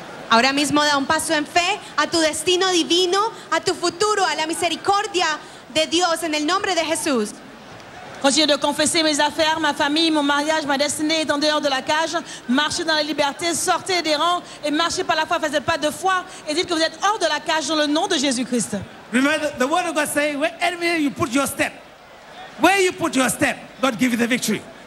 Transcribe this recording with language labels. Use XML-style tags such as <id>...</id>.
<es>Ahora mismo da un paso en fe a tu destino divino, a tu futuro, a la misericordia de Dios en el nombre de Jesús.</es> <fr>Continue de confesser mes affaires, ma famille, mon mariage, ma destinée est en dehors de la cage. Marchez dans la liberté, sortez des rangs et marchez par la foi, faites pas de foi et dites que vous êtes hors de la cage dans le nom de Jésus-Christ.</fr> <en>Remember, the word of God says, wherever you put your step, where you put your step, God gives you the victory.</en>